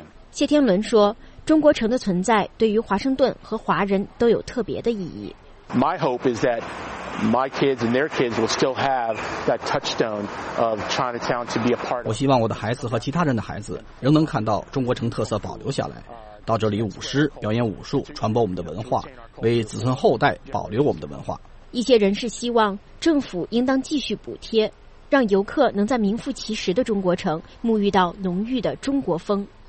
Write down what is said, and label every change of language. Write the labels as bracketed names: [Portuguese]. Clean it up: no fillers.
[Chinese] 谢天伦说，中国城的存在对于华盛顿和华人都有特别的意义。 [English] My hope is that my kids and their kids will still have that touchstone of Chinatown to be a part of. [Chinese] 我希望我的孩子和其他人的孩子仍能看到中国城特色保留下来，到这里舞狮、表演武术、传播我们的文化，为子孙后代保留我们的文化。一些人士希望政府应当继续补贴，让游客能在名副其实的中国城沐浴到浓郁的中国风。